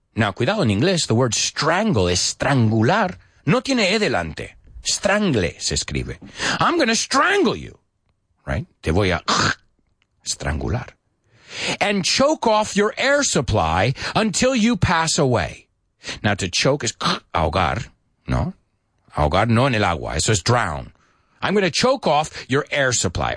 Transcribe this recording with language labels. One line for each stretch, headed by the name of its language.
Spanish: Now, cuidado, en inglés,
English: the word strangle,
Spanish: estrangular, no tiene E delante.
English: Strangle
Spanish: se escribe.
English: I'm going to strangle you, right?
Spanish: Te voy a estrangular.
English: And choke off your air supply until you pass away. Now, to choke is ahogar, ¿no?
Spanish: Ahogar no en el agua, eso es drown.
English: I'm going to choke off your air supply.